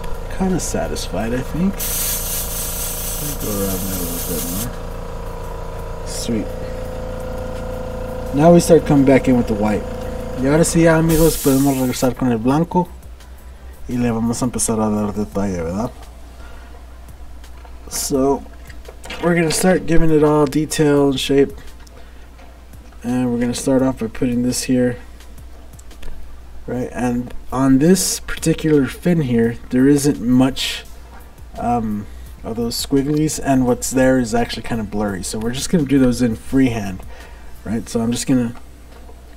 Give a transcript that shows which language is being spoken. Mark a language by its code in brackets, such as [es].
[en] Kind of satisfied, I think. Let me go around that a little bit more. Sweet. Now we start coming back in with the white. [es] Y ahora sí, amigos, podemos regresar con el blanco. Y le vamos a empezar a dar detalle, ¿verdad? [en] So, we're going to start giving it all detail and shape. And we're going to start off by putting this here. Right, and on this particular fin here, there isn't much of those squigglies, and what's there is actually kind of blurry. So we're just going to do those in freehand, right? So I'm just going to